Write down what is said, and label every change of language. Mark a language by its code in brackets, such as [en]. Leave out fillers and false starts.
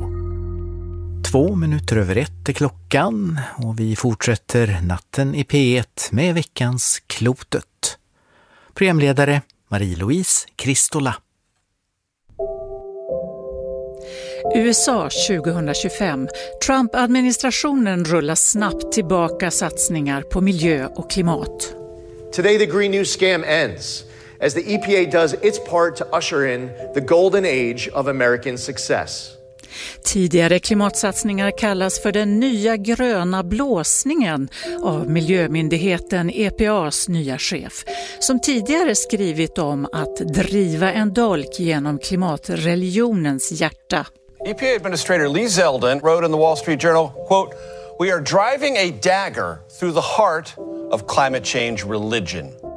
[sv] 1:02 är klockan och vi fortsätter natten i P1 med veckans Klotet. Programledare Marie-Louise Kristola. USA 2025. Trump-administrationen rullar snabbt tillbaka satsningar på miljö och klimat. [en] Today the Green New Scam ends as the EPA does its part to usher in the golden age of American success. [sv] Tidigare klimatsatsningar kallas för den nya gröna blåsningen av miljömyndigheten EPA:s nya chef, som tidigare skrivit om att driva en dolk genom klimatreligionens hjärta. [en] EPA administrator Lee Zeldin wrote in the Wall Street Journal, quote, "We are driving a dagger through the heart of climate change religion."